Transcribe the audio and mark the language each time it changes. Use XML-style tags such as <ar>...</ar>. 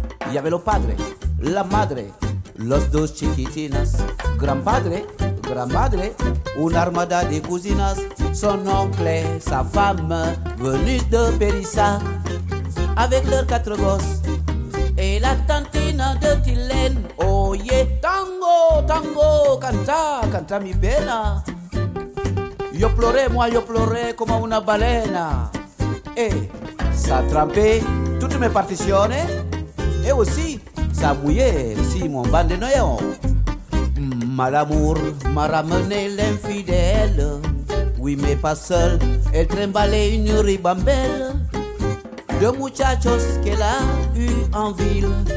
<fr>Il y avait le padre, la madre,</fr> <es>los dos chiquitinas,</es> <fr>grand-padre, grand-madre, une armada de cousinas, son oncle, sa femme, venus de Périssa, avec leurs quatre gosses, et la tantina de Tilène, oh yeah.</fr> <es>Tango, tango, canta, canta mi pena. Yo</es> <fr>pleuré, moi</fr> <es>yo</es> <fr>pleuré,</fr> <es>como una balena.</es> <fr>Ça a trempé toutes mes partitions et aussi ça a mouillé aussi mon bandoneon. Mal amour m'a ramené l'infidèle, oui mais pas seul, elle trimbalait une ribambelle de muchachos qu'elle a eu en ville.</fr>